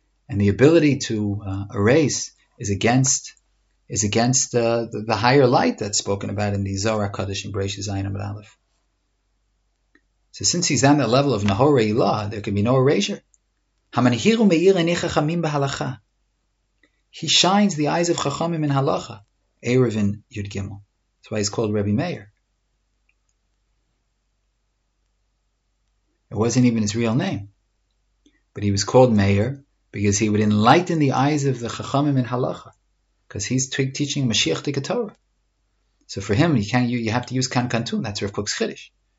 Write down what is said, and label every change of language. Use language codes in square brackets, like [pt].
[en] And the ability to erase is against the higher light that's spoken about in the Zohar HaKadosh in Bereishis Zayin Amud Aleph. So since he's on the level of Nahor Eilah, there can be no erasure. [he] המנהיר ומאיר עיני חכמים בהלכה. [en] He shines the eyes of chachamim in halacha. Erevin Yud Gimel. That's why he's called Rabbi Meir. It wasn't even his real name. But he was called Meir because he would enlighten the eyes of the chachamim in halacha. Because he's teaching Mashiach de Ketorah. So for him, you have to use Kan Kantum. That's Rav Kook's Chiddush.